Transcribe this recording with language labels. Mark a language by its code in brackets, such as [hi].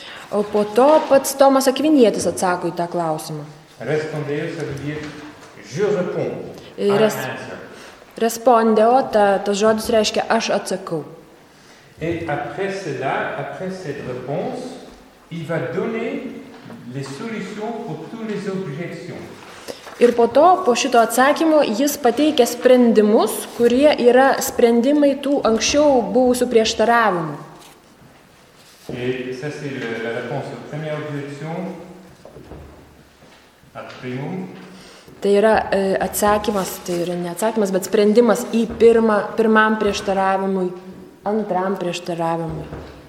[lt] O po to pats Tomas Akvinietis atsako į tą klausimą. [fr] Respondeo, ça veut dire, je réponds. [lt] Respondeo, tas žodis reiškia, aš atsakau. [fr] Et après cela, après cette réponse, il va donner les solutions pour toutes les objections. [lt] Ir po to, po šito atsakymo, jis pateikia sprendimus, kurie yra sprendimai tų anksčiau buvusių prieštaravimų. [fr] Et ça c'est la réponse aux premières objections. [la] A primum. [lt] Tai yra atsakymas, tai yra ne atsakymas, bet sprendimas į pirmam prieštaravimui, antram prieštaravimui.